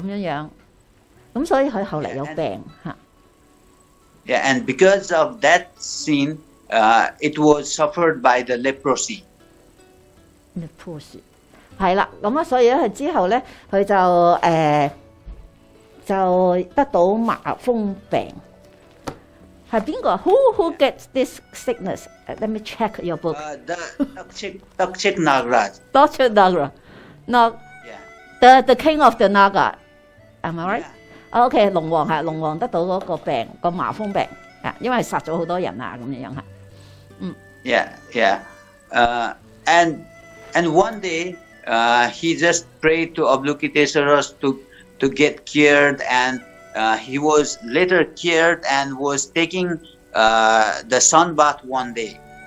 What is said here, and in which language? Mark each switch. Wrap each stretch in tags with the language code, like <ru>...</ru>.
<zh>那條消息來說，總之到最後那條龍就不高興，他就殺了很多人，所以他後來有病。</zh> <en>Yeah, and because of that scene, it was suffered by the leprosy. Leprosy.</en> <zh>是的，所以之後他就得到麻風病。</zh> <en>Who gets this sickness? Let me check your book. The Takshik Nagaraj. Takshik Nagaraj. The king of the Naga. Am I right? Yeah.</en> <zh>Okay, 龍王得到那個病,那個麻風病, 因為殺了很多人。</zh> <en>And one day, he just prayed to Avalokiteshvara to get cured, and he was later cured and was taking the sun bath one day.</en>